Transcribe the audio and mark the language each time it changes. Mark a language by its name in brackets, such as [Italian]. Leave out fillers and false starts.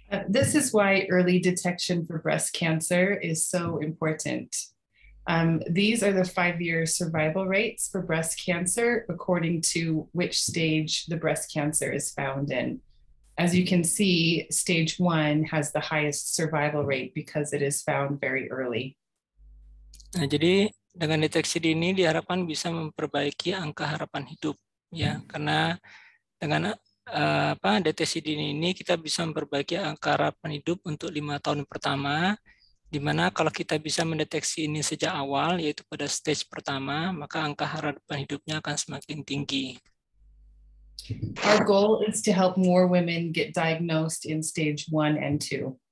[English] This is why early detection for breast cancer is so important. These are the 5-year survival rates for breast cancer according to which stage the breast cancer is found in. As you can see, stage 1 has the highest survival rate because it is found very early. [Indonesian] Nah, jadi dengan deteksi dini diharapkan bisa memperbaiki angka harapan hidup ya, karena dengan deteksi dini ini kita bisa memperbaiki angka harapan hidup untuk 5 tahun pertama, di mana kalau kita bisa mendeteksi ini sejak awal yaitu pada stage pertama, maka angka harapan hidupnya akan semakin tinggi. [English] Our goal is to help more women get diagnosed in stage 1 and 2.